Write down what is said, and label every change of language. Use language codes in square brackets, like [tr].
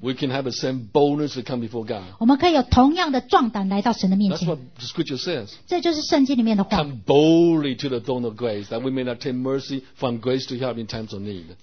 [en] We can have the same boldness to come before God. [zh] 我们可以有同样的壮胆来到神的面前。 [en] That's what Scripture says. [zh] 这就是圣经里面的话。 [en] Come boldly to the throne of grace, that we may obtain mercy from grace to help in times of need.